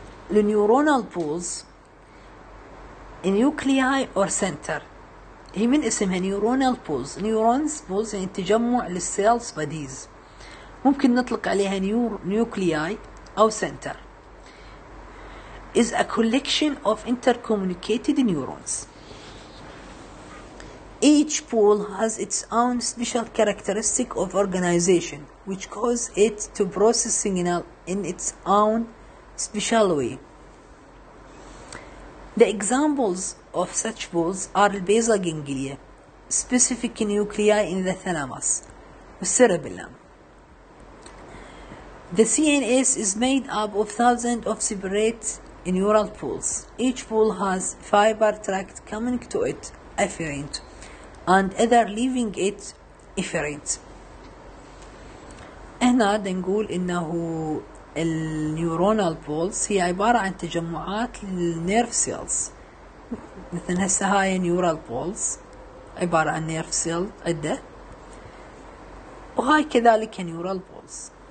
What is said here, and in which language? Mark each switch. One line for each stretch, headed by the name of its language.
Arabic: النيورونال بولز النيوكلياي اور سنتر، هي من اسمها نيورونال بولز. نيورونز بولز يعني تجمع للسيلز باديز، ممكن نطلق عليها نيوكلياي او سنتر.
English: is a collection of intercommunicated neurons. Each pole has its own special characteristic of organization, which causes it to process signal in its own special way. The examples of such poles are the basal ganglia, specific nuclei in the thalamus, and cerebellum. The CNS is made up of thousands of separate neural poles. Each pole has fiber tract coming to it afferent and other leaving it efferent.
Arabic: هنا نقول انه النيورونال بولز هي عبارة عن تجمعات للنيرف سيلز. مثلا هسه هاي نيورال بولز عبارة عن نيرف سيل عدة، وهاي كذلك نيورال بولز.